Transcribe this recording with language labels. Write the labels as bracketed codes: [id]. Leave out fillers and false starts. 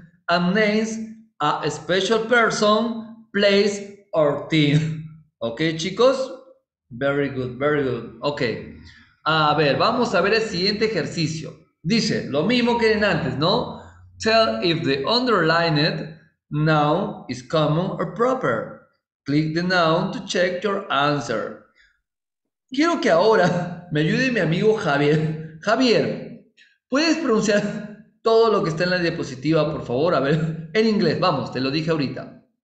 [en] And names, a special person, place, or thing. ¿Ok, chicos? Very good. Ok. [es] A ver, vamos a ver el siguiente ejercicio. Dice, lo mismo que en antes, ¿no? [en] Tell if the underlined noun is common or proper. Click the noun to check your answer. [es] Quiero que ahora me ayude mi amigo Javier. Javier, ¿puedes pronunciar todo lo que está en la diapositiva, por favor? A ver, en inglés, vamos, te lo dije ahorita.